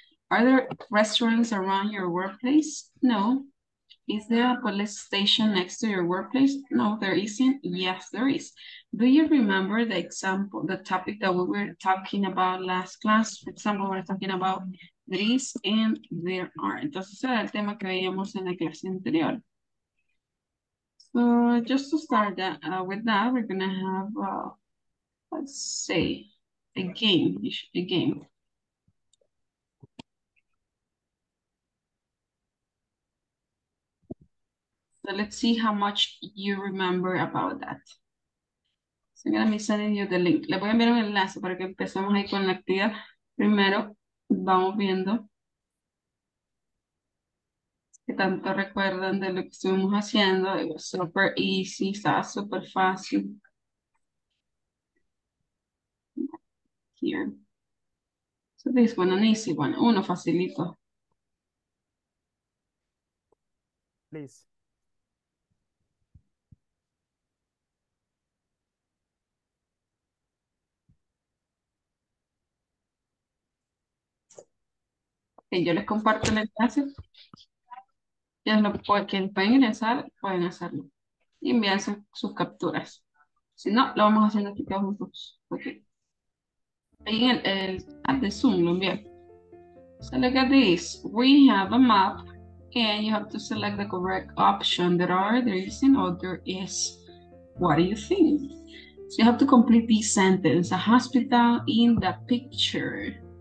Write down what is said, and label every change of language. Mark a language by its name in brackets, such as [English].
[English] Are there restaurants around your workplace? No. Is there a police station next to your workplace? No, there isn't. Yes, there is. Do you remember the example, the topic that we were talking about last class? For example, we're talking about there is and there are. [Spanish] Entonces, era el tema que veíamos en la clase anterior. [English] So, just to start that, with that, we're going to have, let's say, a game. So let's see how much you remember about that. So I'm going to be sending you the link. [Spanish] Le voy a enviar un enlace para que empecemos ahí con la actividad. Primero, vamos viendo qué tanto recuerdan de lo que estuvimos haciendo. [English] It was super easy, [Spanish] estaba super fácil. [English] Here. So this one, an easy one. [Spanish] Uno facilito. [English] Please. [Spanish] Y yo les comparto el enlace. Quien pueden ingresar, pueden hacerlo. Y envían sus capturas. Si no, lo vamos haciendo aquí todos juntos. Okay. Ahí en el app de Zoom lo envían. [English] So look at this. We have a map and you have to select the correct option. There isn't or there is. What do you think? So you have to complete this sentence. A hospital in the picture.